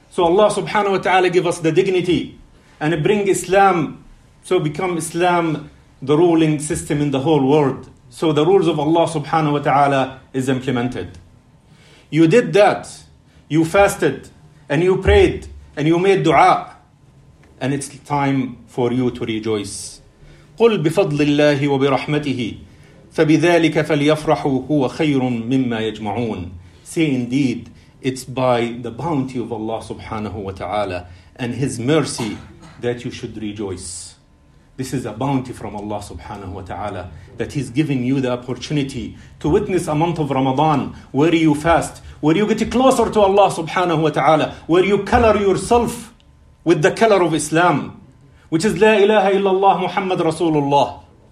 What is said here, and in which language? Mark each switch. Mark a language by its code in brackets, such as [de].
[en] So Allah subhanahu wa ta'ala give us the dignity and bring Islam, so become Islam the ruling system in the whole world. So the rules of Allah subhanahu wa ta'ala is implemented. You did that. You fasted and you prayed and you made dua. And it's time for you to rejoice. [ar] قل بفضل الله وبرحمته فبذلك فليفرحوا هو خير مما يجمعون. [en] Say indeed, it's by the bounty of Allah subhanahu wa ta'ala and His mercy that you should rejoice. This is a bounty from Allah subhanahu wa ta'ala that He's given you the opportunity to witness a month of Ramadan where you fast, where you get closer to Allah subhanahu wa ta'ala, where you color yourself with the color of Islam, which is La ilaha illallah Muhammad Rasulullah.